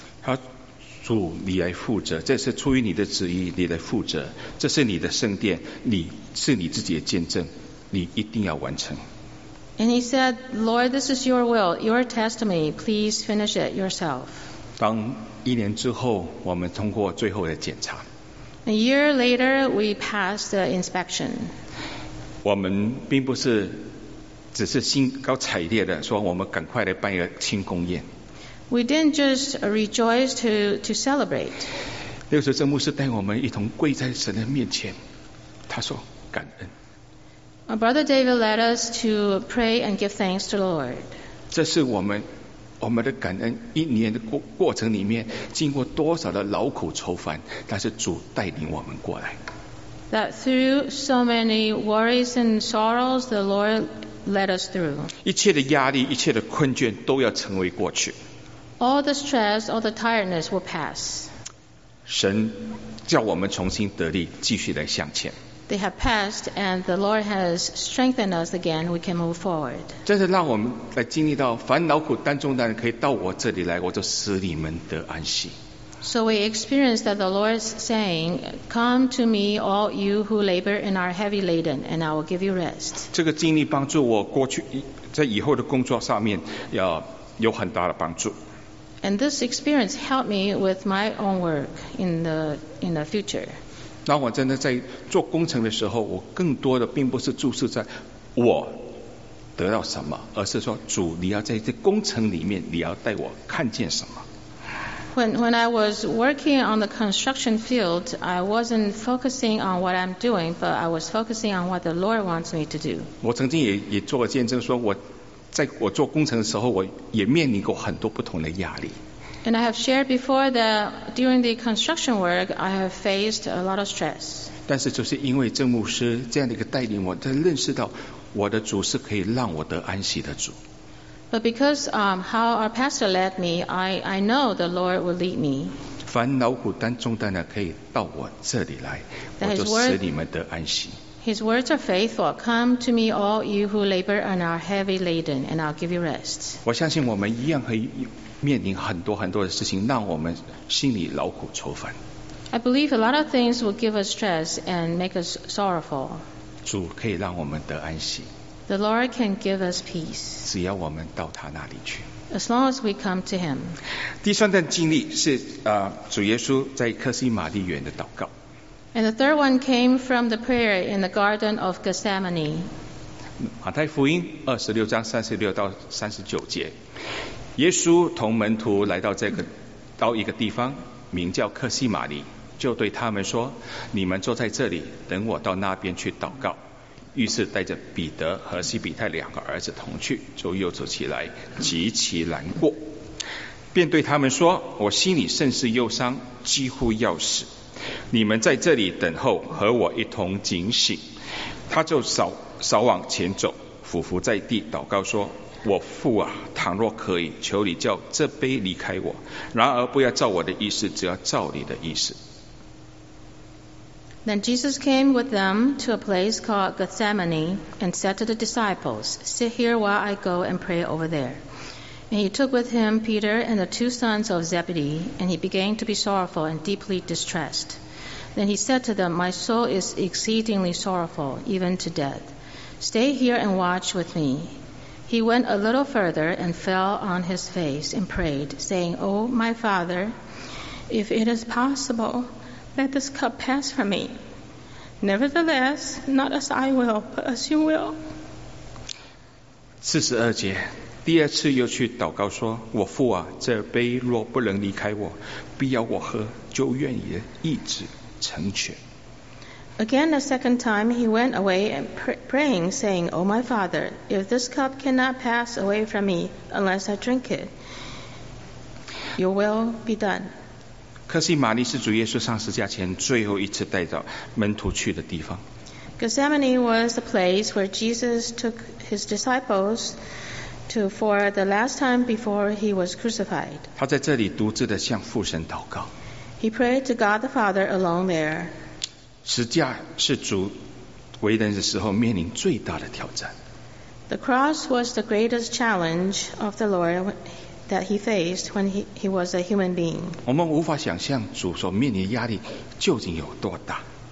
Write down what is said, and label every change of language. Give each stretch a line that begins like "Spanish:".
Chinese: 他主，你来负责，这是出于你的旨意，你来负责，这是你的圣殿，你是你自己的见证，你一定要完成。
English: And he said, Lord, this is your will, your testimony, please finish it yourself.
Chinese: 当一年之后，我们通过最后的检查。
English: A year later, we passed the inspection.
Chinese: 我们并不是只是兴高采烈的说我们赶快来办一个庆功宴。
English: We didn't just rejoice to celebrate.
Chinese: 那个时候，郑牧师带我们一同跪在神的面前，他说感恩。
English: Our brother David led us to pray and give thanks to the Lord.
Chinese: 这是我们的感恩，一年的过程里面，经过多少的劳苦愁烦，但是主带领我们过来。
English: That through so many worries and sorrows, the Lord led us through.
Chinese: 一切的压力，一切的困倦，都要成为过去。
English: All the stress, all the tiredness will pass.
Chinese: 神叫我们重新得力，继续来向前。
English: They have passed, and the Lord has strengthened us again. We can move forward.
Chinese: 这是让我们来经历到烦恼苦担重的人可以到我这里来，我就使你们得安息。
English: So we experience that the Lord is saying, "Come to me, all you who labor and are heavy laden, and I will give you rest."
Chinese: 这个经历帮助我过去在以后的工作上面要有很大的帮助。
English: And this experience helped me with my own work in the future.
Chinese: 当我真的在做工程的时候，我更多的并不是注视在我得到什么，而是说主，你要在这工程里面，你要带我看见什么。
English: When I was working on the construction field, I wasn't focusing on what I'm doing, but I was focusing on what the Lord wants me to do.
Chinese: 我曾经也做过见证，说我。在我做工程的时候，我也面临过很多不同的压力。
English: And I have shared before that during the construction work, I have faced a lot of stress.
Chinese: 但是就是因为郑牧师这样的一个带领，我才认识到我的主是可以让我得安息的主。
English: But because how our pastor led me, I know the Lord will lead me.
Chinese: 烦恼苦担重担的可以到我这里来，我就使你们得安息。
English: His words are faithful. Come to me, all you who labor and are heavy laden, and I'll give you rest.
Chinese: 我相信我们一样可以面临很多很多的事情，让我们心里劳苦愁烦。
English: I believe a lot of things will give us stress and make us sorrowful.
Chinese: 主可以让我们得安息。
English: The Lord can give us peace.
Chinese: 只要我们到他那里去。
English: As long as we come to him.
Chinese: 第三段经历是主耶稣在客西马利园的祷告。
English: And the third one came from the prayer in the Garden of Gethsemane.
Chinese: 马太福音二十六章三十六到三十九节，耶稣同门徒来到这个到一个地方，名叫客西马利，就对他们说：“你们坐在这里，等我到那边去祷告。” 于是带着彼得和西比泰两个儿子同去，就又走起来，极其难过，便对他们说：“我心里甚是忧伤，几乎要死。你们在这里等候，和我一同警醒。” 他就少往前走，俯伏在地祷告说：“我父啊，倘若可以，求你叫这杯离开我，然而不要照我的意思，只要照你的意思。”
English: Then Jesus came with them to a place called Gethsemane and said to the disciples, "Sit here while I go and pray over there." And he took with him Peter and the two sons of Zebedee, and he began to be sorrowful and deeply distressed. Then he said to them, "My soul is exceedingly sorrowful, even to death. Stay here and watch with me." He went a little further and fell on his face and prayed, saying, "Oh, my Father, if it is possible, let this cup pass from me. Nevertheless, not as I will, but as you will."
Chinese: 42节，第二次又去祷告说：“我父啊，这杯若不能离开我，必要我喝，就愿你的意志成全。”
English: Again, a second time, he went away and praying, saying, "O my Father, if this cup cannot pass away from me unless I drink it, your will be done."
Chinese: 客西马利是主耶稣上十字架前最后一次带着门徒去的地方。
English: Gethsemane was the place where Jesus took his disciples to for the last time before he was crucified.
Chinese: 他在这里独自的向父神祷告。
English: He prayed to God the Father alone there.
Chinese: 十字架是主为人的时候面临最大的挑战。
English: The cross was the greatest challenge of the Lord that he faced when he was a human being.
Chinese: 我们无法想象主所面临的压力究竟有多大。